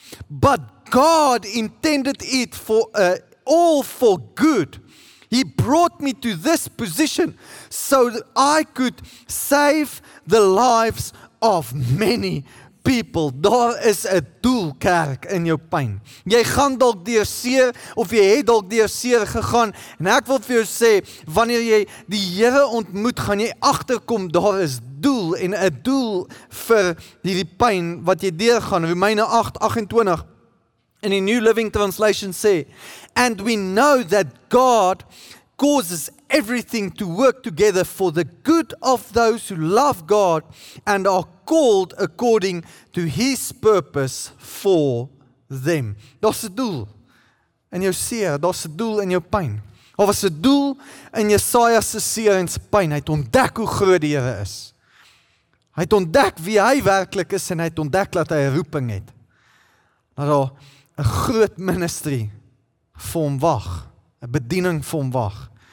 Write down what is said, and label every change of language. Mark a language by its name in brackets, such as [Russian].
[English] But God intended it for all for good. He brought me to this position so that I could save the lives of many people. [Afrikaans] Daar is 'n doel, kerk, in jou pyn. Jy gaan dalk deur seer, of jy het dalk deur seer gegaan, en ek wil vir jou sê, wanneer jy die Here ontmoet, gaan jy agterkom, daar is doel, en 'n doel vir die pyn wat jy deur gaan. Romeine 8:28 in die [English] New Living Translation sê, and we know that God causes everything to work together for the good of those who love God and are called according to his purpose for them. [Afrikaans] Daar's 'n doel in jou seer, daar's 'n doel in jou pyn. Daar was 'n doel in Jesaja se seer en sy pyn. Hy het ontdek hoe groot die Here is. Hy het ontdek wie hy werklik is en hy het ontdek dat hy 'n roeping het. Dat daar 'n groot ministry vir hom wag, 'n bediening vir hom wag.